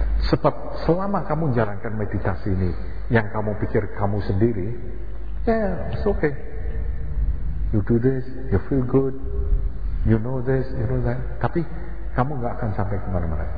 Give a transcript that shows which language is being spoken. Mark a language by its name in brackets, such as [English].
[Indonesian] Sebab selama kamu jalankan meditasi ini yang kamu pikir kamu sendiri, [English] yeah, it's okay. You do this, you feel good, you know this, you know that. [Indonesian] Tapi kamu gak akan sampai kemana-mana.